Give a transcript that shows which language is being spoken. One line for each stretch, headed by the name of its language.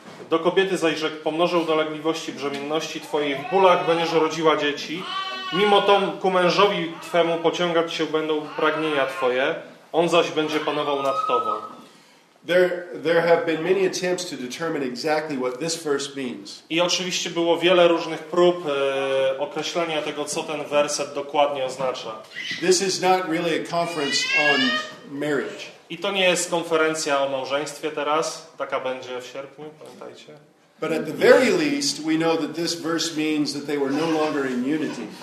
Polish: Do kobiety zaś rzekł: pomnożę dolegliwości brzemienności twojej, w bólach będziesz rodziła dzieci. Mimo to ku mężowi twemu pociągać się będą pragnienia twoje, on zaś będzie panował nad tobą.
English: There have been many attempts to determine exactly what this verse means.
Polish: I oczywiście było wiele różnych prób określenia tego, co ten werset dokładnie oznacza.
English: This is not really a conference on marriage.
Polish: I to nie jest konferencja o małżeństwie teraz, taka będzie w sierpniu, pamiętajcie.
English: But at the very least we know that this verse means that they were no longer in unity.